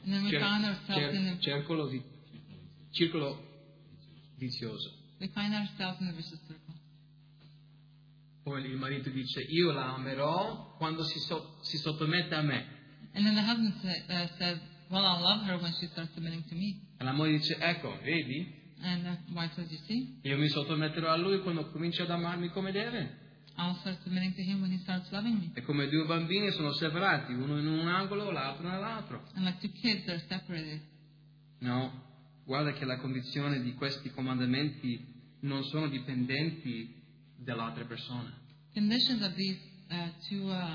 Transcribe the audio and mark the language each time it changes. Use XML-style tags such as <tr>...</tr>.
<en>And then we found ourselves in a</en> <it>circolo vizioso.</it> <en>We find ourselves in a vicious circle.</en> <it>Poi il marito dice, io la amerò quando si sottomette a me.</it> <en>And then the husband says, well, I'll love her when she starts submitting to me.</en> <it>E la moglie dice, ecco, vedi?</it> <en>And the wife says, you see?</en> <it>Io mi sottometterò a lui quando comincia ad amarmi come deve.</it> <en>I'll start submitting to him when he starts loving me.</en> <it>E come due bambini sono separati, uno in un angolo, l'altro nell'altro.</it> <en>And like two kids, they're separated.</en> <it>No. Guarda che la condizione di questi comandamenti non sono dipendenti dall'altra persona.</it> <en>Conditions of these two</en>